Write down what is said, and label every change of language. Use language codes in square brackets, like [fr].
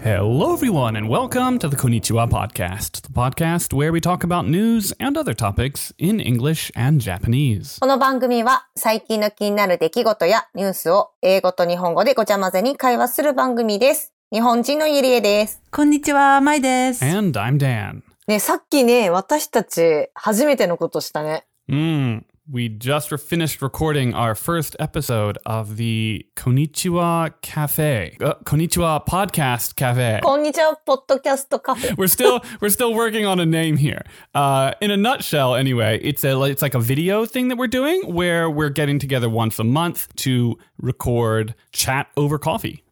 [en] Hello everyone and welcome to the Konnichiwa Podcast, the podcast where we talk about news and other topics in English and Japanese. [ja] この番組は最近の気になる出来事やニュースを英語と日本語でごちゃ混ぜに会話する番組です。日本人のゆりえです。こんにちは、まいです。 [en] And I'm Dan. [ja] ね、さっきね、私たち初めてのことしたね。 [en] We just finished recording our first episode of the Konnichiwa Cafe. Konnichiwa Podcast Cafe. Konnichiwa Podcast Cafe. We're still working on a name here. In a nutshell, anyway, it's like a video thing that we're doing where we're getting together once a month to record chat over coffee.